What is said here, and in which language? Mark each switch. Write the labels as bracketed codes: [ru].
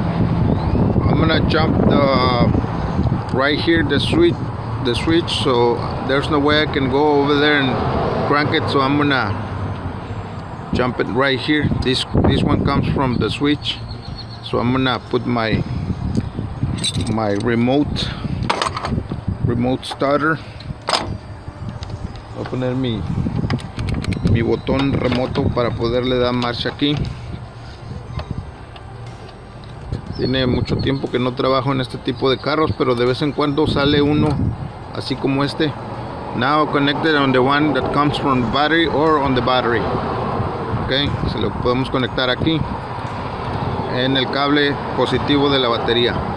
[en] I'm gonna jump the right here, the switch, so there's no way I can go over there and crank it, so I'm gonna jump it right here. This one comes from the switch, so I'm gonna put my remote starter. [es] Voy a poner mi botón remoto para poderle dar marcha aquí. Tiene mucho tiempo que no trabajo en este tipo de carros, pero de vez en cuando sale uno así como este. [en] Now connected on the one that comes from battery or on the battery. [es] Okay, se lo podemos conectar aquí en el cable positivo de la batería.